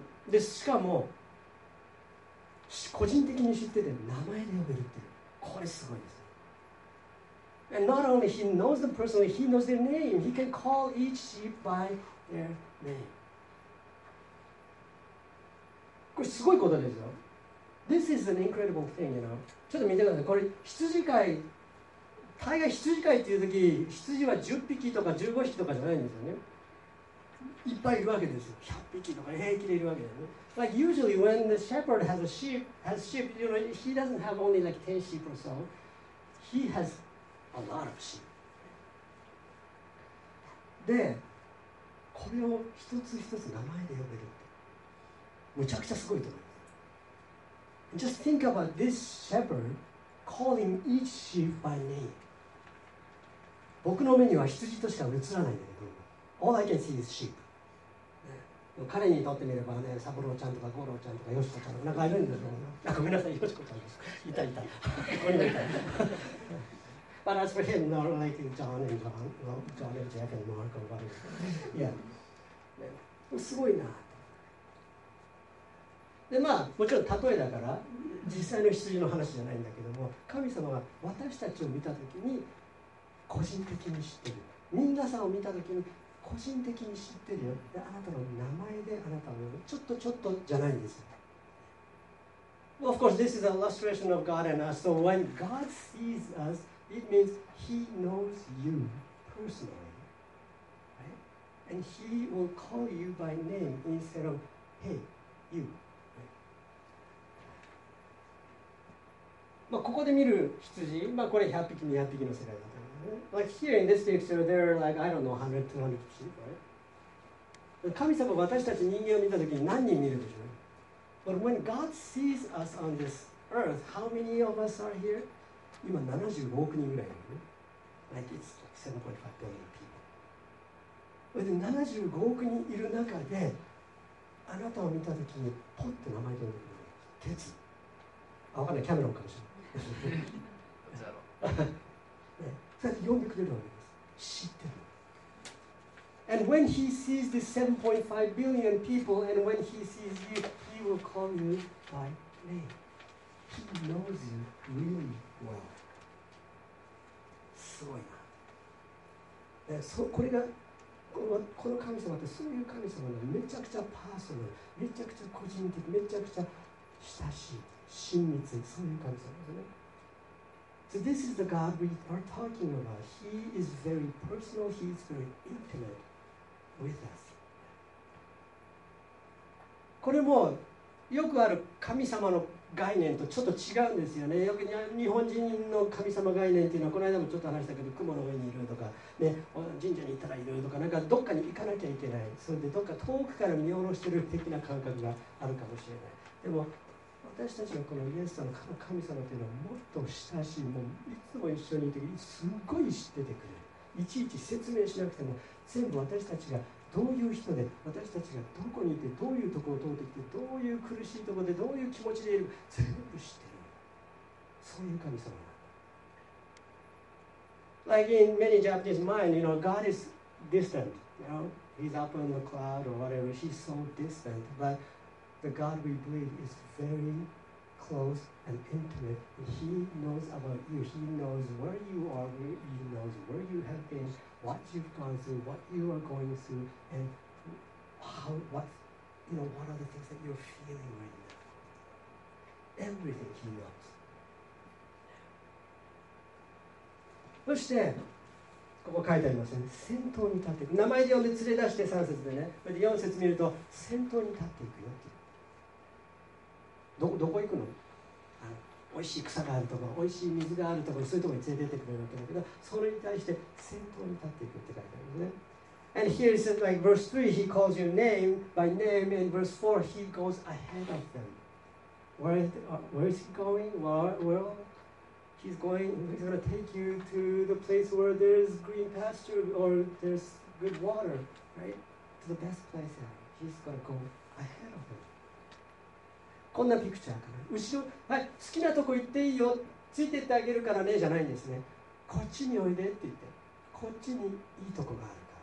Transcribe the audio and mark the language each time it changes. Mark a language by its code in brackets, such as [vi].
[ja] でしかも個人的に知ってて名前で呼べるっていうこれすごいです。 [en] And not only he knows them personally, he knows their name. He can call each sheep by their name. [ja] これすごいことですよ。 [en] This is an incredible thing, you know. [ja] ちょっと見てください。これ羊飼い、大概羊飼いっていうとき、羊は10匹とか15匹とかじゃないんですよね。いっぱいいるわけですよ。 100匹とか平気でいるわけだよね。 [en] Like usually when the shepherd has sheep, you know, he doesn't have only like 10 sheep or so. He has a lot of sheep. [ja] で、これを一つ一つ名前で呼べるって。むちゃくちゃすごいと思います。 [en] Just think about this shepherd calling each sheep by name. [ja] 僕の目には羊としか映らないんだけど、 [en] All I can see is sheep. [ja] 彼にとってみればね、サブローちゃんとかゴローちゃんとかヨシコちゃんとかなんかいるんですよ。あ、ごめんなさい、ヨシコちゃんです。いたいた。ここにいた。 [en] But as for him, not like John and John, well, John and Jeff and Mark or whatever. [ja] Yeah. すごいな。で、まあ、もちろん例えだから、実際の羊の話じゃないんだけども、神様が私たちを見たときに、個人的に知ってる。みんなさんを見たときに、個人的に知ってるよ。で、あなたの名前であなたを呼ぶ。ちょっとじゃないんです。 [en] Well, of course, this is an illustration of God and us. So when God sees us, it means He knows you personally, right? And He will call you by name instead of Hey, you.、Right? [ja] まあここで見る羊、まあこれ100匹200匹の世界だと。 [en] Like here in this picture, there are like, I don't know, 100, 200 sheep, right? [ja] 神様は私たち人間を見たときに何人見るでしょう [en] But when God sees us on this earth, how many of us are here? [ja] 今75億人ぐらいいる、ね、 [en] Like it's like 7.5 billion people. [ja] で75億人いる中で、あなたを見たときにポッて名前で呼んでくる。鉄。あ、わかんない、キャメロンかもしれない。そうやって呼んでくれるわけです。知ってる。 [en] And when he sees the 7.5 billion people, and when he sees you, he will call you by name. He knows you really well. [ja] すごいな。これが、この神様って、そういう神様がめちゃくちゃパーソナル、めちゃくちゃ個人的、めちゃくちゃ親しい、親密、そういう神様ですね。 [en] So this is the God we are talking about. He is very personal. He is very intimate with us. [ja] これもよくある神様の概念とちょっと違うんですよね。よく日本人の神様概念っていうのはこの間もちょっと話したけど、雲の上にいるとか、ね、神社に行ったらいるとか、なんかどっかに行かなきゃいけない。それでどっか遠くから見下ろしてる的な感覚があるかもしれない。でも私たちのこのイエス様の神様というのはもっと親しい、もういつも一緒にいて、すごい知っててくれる。いちいち説明しなくても、全部私たちがどういう人で、私たちがどこにいて、どういうところを通ってきて、どういう苦しいところで、どういう気持ちでいる、全部知ってる。そういう神様だ。 [en] Like in many Japanese mind, you know, God is distant. You know, He's up in the cloud or whatever. He's so distant, but. The God we believe is very close and intimate. He knows about you. He knows where you are. He knows where you have been, what you've gone through, what you are going through, and what are the things that you're feeling right now. Everything He knows. [ja] そしてここ書いてありますよね。先頭に立っていく。名前で呼んで連れ出して3節でね。で4節見ると先頭に立っていくよって。どこ行くの？美味しい草があるとか、美味しい水があるとか、そういうところに連れてってくれるわけだけど、それに対して先頭に立っていくって書いてあるね。 [en] And here it says like verse 3, he calls your name by name, and verse 4, he goes ahead of them. Where is he going? Well, he's going to take you to the place where there's green pasture or there's good water, right? To the best place there. He's going to go ahead of them. [ja] こんなピクチャーかな。後ろ、はい、好きなとこ行っていいよ。ついてってあげるからね、じゃないんですね。こっちにおいでって言って、こっちにいいとこがある。